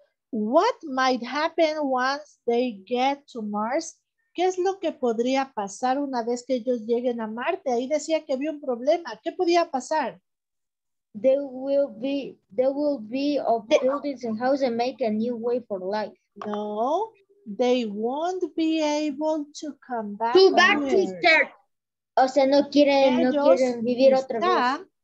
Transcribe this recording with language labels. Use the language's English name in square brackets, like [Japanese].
[English] What might happen once they get to Mars? [Spanish] ¿Qué es lo que podría pasar una vez que ellos lleguen a Marte? Ahí decía que había un problema. ¿Qué podía pasar? [English] There will be buildings and houses and make a new way for life. No, they won't be able to come back. Too bad to start. [Spanish] O sea, no quieren vivir otra vez.